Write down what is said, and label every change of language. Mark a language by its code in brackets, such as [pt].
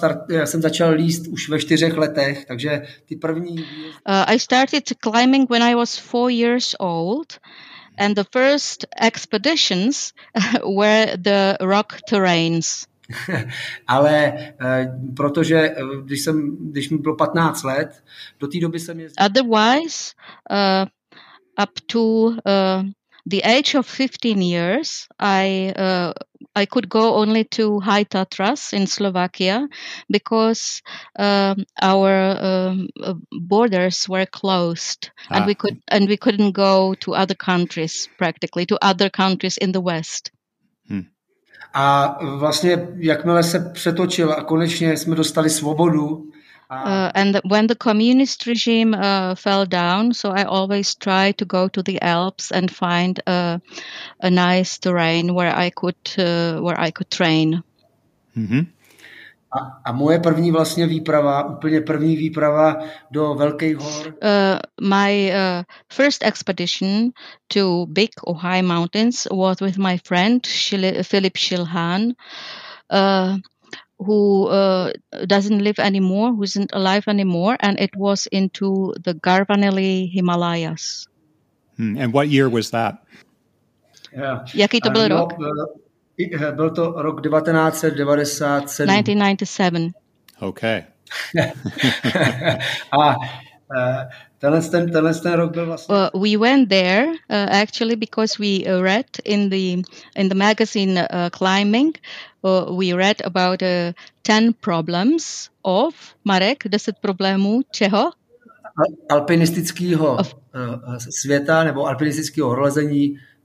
[cs] Já jsem začal líst už ve 4 letech, takže ty první... [en] I started climbing when I was 4 years old, and the first expeditions were the rock terrains. [cs] Ale protože když mi bylo 15 let, do té doby jsem jezdil... [en] Otherwise, up to the age of 15 years, I could go only to High Tatras in Slovakia because our borders were closed and we couldn't go to other countries practically, to other countries in the West. Hmm. [cs] A vlastně jakmile se přetočil a konečně jsme dostali svobodu. [en] And when the communist regime fell down, so I always try to go to the Alps and find a nice terrain where I could train. Mm-hmm. [cs] A moje první vlastně výprava, úplně první výprava do velkých hor. [en] My first expedition to big or high mountains was with my friend Philip Shilhan, who doesn't live anymore, who isn't alive anymore, and it was into the Garhwaneli Himalayas. And what year was that? [cs] Yeah. Jaký to byl rok? Byl to rok 1997. [en] Okay. [cs] A tenhle ten rok byl vlastně. [en] Well, we went there actually because we read in the magazine Climbing, we read about 10 problems of Marek, [cs] 10 problémů čeho? Alpinistického světa nebo alpinistického horolezení.